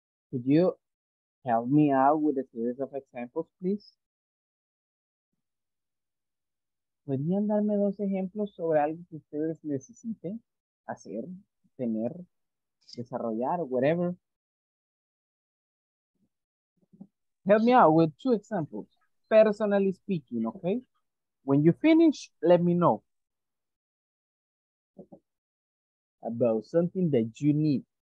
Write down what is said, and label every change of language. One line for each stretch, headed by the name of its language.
English: Could you help me out with a series of examples, please?
Spanish: ¿Podrían darme dos ejemplos sobre algo que ustedes necesiten hacer, tener, desarrollar, whatever?
English: Help me out with two examples, personally speaking, okay? When you finish, let me know about something that you need.